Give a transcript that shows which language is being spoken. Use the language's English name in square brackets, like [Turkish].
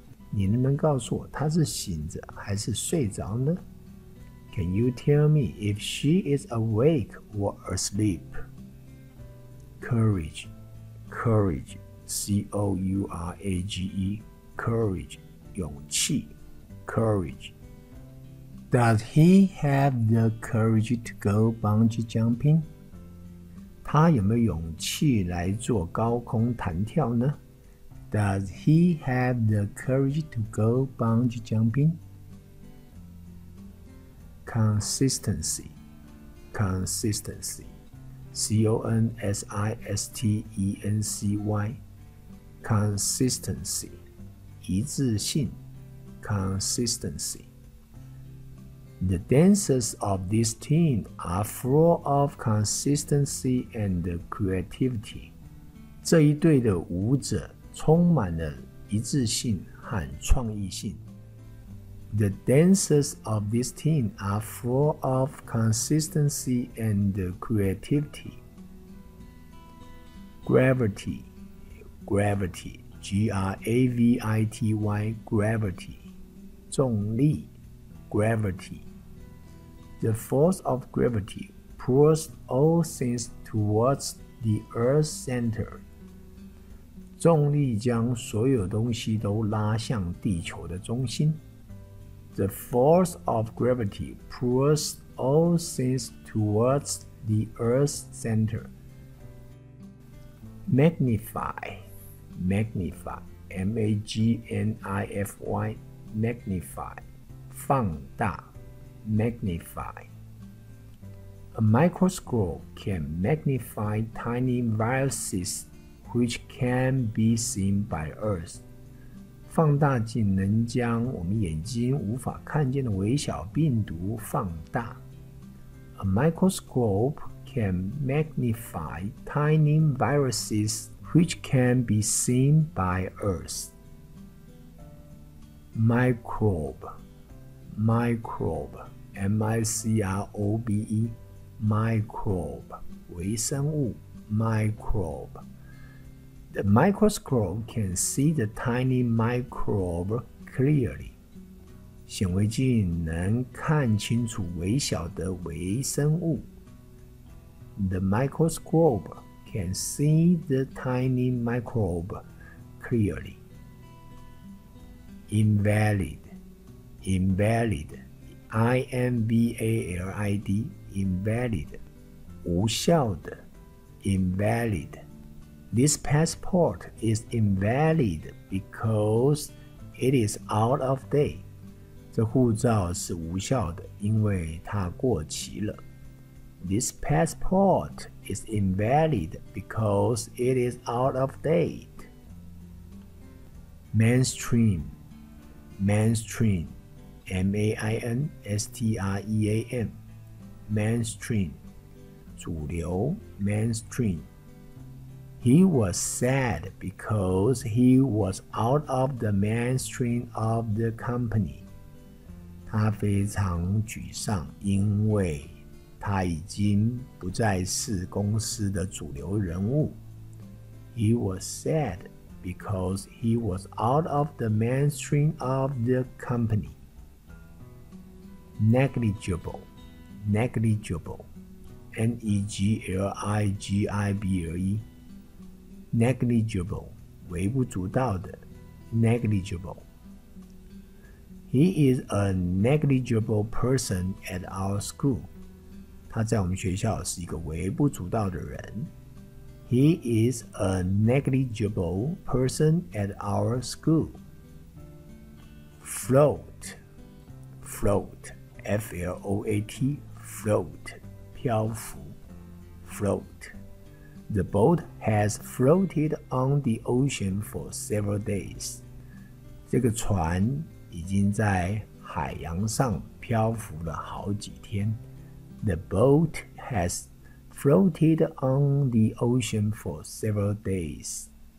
[Chinese] 你能不能告诉我她是醒着还是睡着呢? [English] Can you tell me if she is awake or asleep? Courage Courage C-O-U-R-A-G-E Courage 勇气 Courage Does he have the courage to go bungee jumping? [Chinese] 他有没有勇气来做高空弹跳呢? [English] Does he have the courage to go bungee jumping? Consistency Consistency C-O-N-S-I-S-T-E-N-C-Y Consistency 一致性 Consistency The dancers of this team are full of consistency and creativity. [Chinese] 这一队的舞者充满了一致性和创意性。 [English] The dancers of this team are full of consistency and creativity. Gravity, gravity, G-R-A-V-I-T-Y, gravity, 重力 gravity. The force of gravity pulls all things towards the Earth's center. [Chinese] 重力将所有东西都拉向地球的中心。 [English] The force of gravity pulls all things towards the Earth's center. Magnify, magnify, M-A-G-N-I-F-Y, magnify, 放大。Magnify. A microscope can magnify tiny viruses which can be seen by Earth. [Chinese] 放大镜能将我们眼睛无法看见的微小病毒放大。 [English] A microscope can magnify tiny viruses which can be seen by Earth. Microbe. Microbe. M-I-C-R-O-B-E microbe, 微生物 microbe. The microscope can see the tiny microbe clearly. [Chinese] 显微镜能看清楚微小的微生物。 [English] The microscope can see the tiny microbe clearly. Invalid, invalid, I-N-V-A-L-I-D, invalid, 无效的 invalid. This passport is invalid because it is out of date. [Chinese] 这护照是无效的，因为它过期了。 [English] This passport is invalid because it is out of date. Mainstream, mainstream, M-A-I-N-S-T-R-E-A-M, mainstream, 主流 mainstream. He was sad because he was out of the mainstream of the company. [Chinese] 他非常沮丧，因为他已经不再是公司的主流人物。 [English] He was sad because he was out of the mainstream of the company. Negligible, negligible, N-E-G-L-I-G-I-B-L-E, negligible, 微不足道的 negligible. He is a negligible person at our school. [Chinese] 他在我们学校是一个微不足道的人。 [English] He is a negligible person at our school. Float, float, F-L-O-A-T, float, 漂浮, float. The boat has floated on the ocean for several days. [Chinese] 这个船已经在海洋上漂浮了好几天。 [English] The boat has floated on the ocean for several days.